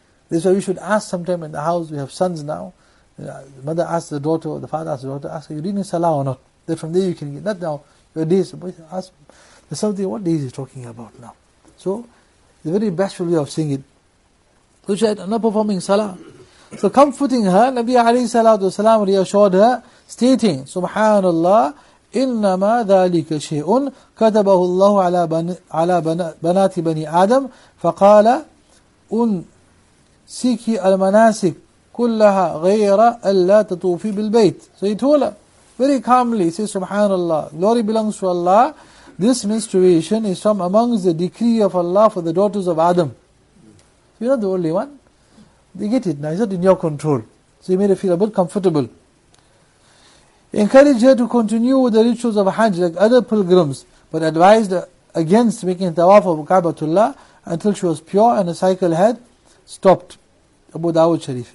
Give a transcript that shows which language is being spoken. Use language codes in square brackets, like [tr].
[en] This is why we should ask sometime in the house, we have sons now. The mother asks the daughter, or the father asks the daughter, ask, are you reading Salah or not? Then from there you can get, not now, your days. Ask, there's something, what days is he talking about now? So, it's a very bashful way of saying it. So she said, I'm not performing Salah. So comforting her, Nabi alayhi salatu wasalam reassured her, stating, Subhanallah, [ar] إِنَّمَا ذَلِكَ شَيْءٌ كَتَبَهُ اللَّهُ عَلَى بَنَاتِ بَنِي آدَمَ فَقَالَ أُنْسِكِ الْمَنَاسِكِ كُلَّهَا غَيْرَ أَلَّا تَطُوفِ بِالْبَيْتِ. [en] So he told her, very calmly, he says, Subhanallah, glory belongs to Allah, this menstruation is from amongst the decree of Allah for the daughters of Adam. So you're not the only one. They get it now, it's not in your control. So he made her feel a bit comfortable. Encouraged her to continue with the rituals of Hajj like other pilgrims, but advised against making tawaf of Ka'batullah until she was pure and the cycle had stopped. Abu Dawud Sharif.